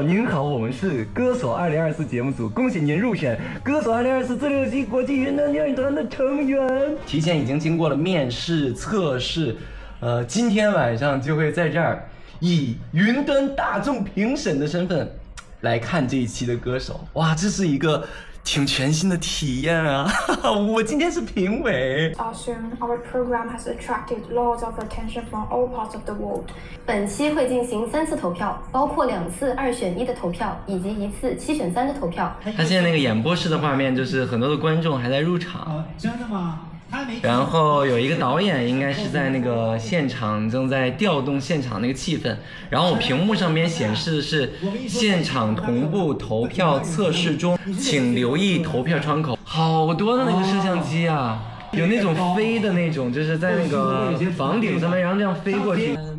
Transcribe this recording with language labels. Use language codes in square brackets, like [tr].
[zh] 您好，我们是歌手2024节目组，恭喜您入选歌手2024自留级国际云端英语团的成员。提前已经经过了面试测试，今天晚上就会在这儿以云端大众评审的身份来看这一期的歌手。哇，这是一个挺全新的体验啊！我今天是评委。 [en] Soon, our program has attracted lots of attention from all parts of the world. [zh] 本期会进行三次投票，包括两次二选一的投票，以及一次七选三的投票。他现在那个演播室的画面，就是很多的观众还在入场。真的吗？然后有一个导演应该是在那个现场正在调动现场那个气氛，然后我屏幕上面显示的是现场同步投票测试中，请留意投票窗口，好多的那个摄像机啊，有那种飞的那种，就是在那个房顶上面然后这样飞过去。